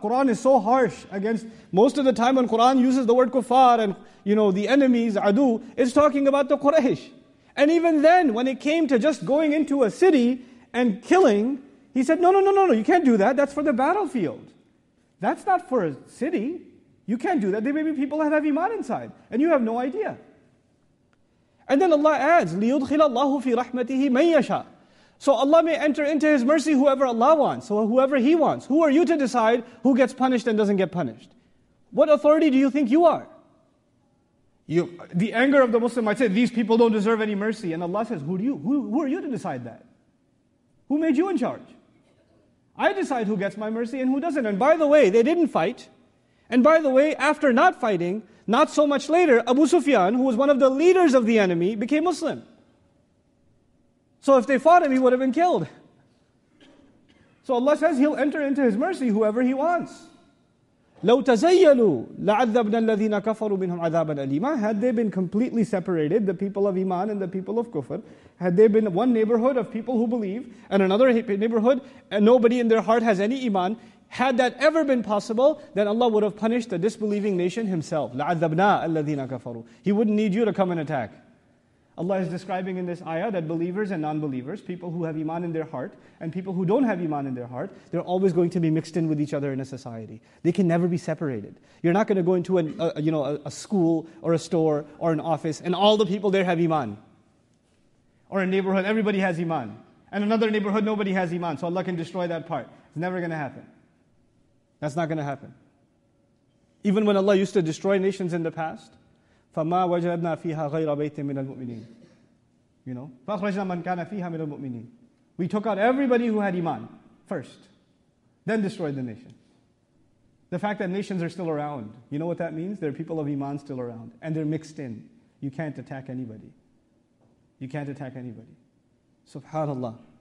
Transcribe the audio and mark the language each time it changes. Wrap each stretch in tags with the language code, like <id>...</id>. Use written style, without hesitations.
<en>Quran is so harsh against, most of the time when Quran uses the word kuffar and, you know, the enemies, adu, it's talking about the Quraysh. And even then, when it came to just going into a city and killing, he said, no, you can't do that. That's for the battlefield. That's not for a city. You can't do that. There may be people that have iman inside, and you have no idea. And then Allah adds,</en> <ar>لِيُدْخِلَ اللَّهُ فِي رَحْمَتِهِ مَنْ يَشَاءُ.</ar> <en>So Allah may enter into His mercy whoever Allah wants, so whoever He wants. Who are you to decide who gets punished and doesn't get punished? What authority do you think you are? The anger of the Muslim might say, these people don't deserve any mercy. And Allah says, who are you to decide that? Who made you in charge? I decide who gets my mercy and who doesn't. And by the way, they didn't fight. And by the way, after not fighting, not so much later, Abu Sufyan, who was one of the leaders of the enemy, became Muslim. So if they fought him, he would have been killed. So Allah says, He'll enter into His mercy whoever He wants.</en> <ar>لو تزيلوا لعذبنا الذين كفروا منهم عذابا أليما.</ar> <en>Had they been completely separated, the people of Iman and the people of Kufr, had they been one neighborhood of people who believe and another neighborhood and nobody in their heart has any Iman, had that ever been possible, then Allah would have punished the disbelieving nation Himself.</en> <ar>لعذبنا الذين كفروا.</ar> <en>He wouldn't need you to come and attack. Allah is describing in this ayah that believers and non-believers, people who have iman in their heart and people who don't have iman in their heart, they're always going to be mixed in with each other in a society. They can never be separated. You're not going to go into a school or a store or an office and all the people there have iman. Or a neighborhood, everybody has iman. And another neighborhood, nobody has iman. So Allah can destroy that part. It's never going to happen. That's not going to happen. Even when Allah used to destroy nations in the past,</en> <ar>فَمَا وَجَدْنَا فِيهَا غَيْرَ بَيْتٍ مِنَ الْمُؤْمِنِينَ.</ar> <en>You know,</en> <ar>فَأَخْرَجْنَا مَنْ كَانَ فِيهَا مِنَ الْمُؤْمِنِينَ.</ar> <en>We took out everybody who had iman first, then destroyed the nation. The fact that nations are still around, you know what that means? There are people of iman still around, and they're mixed in. You can't attack anybody. You can't attack anybody. SubhanAllah.</en>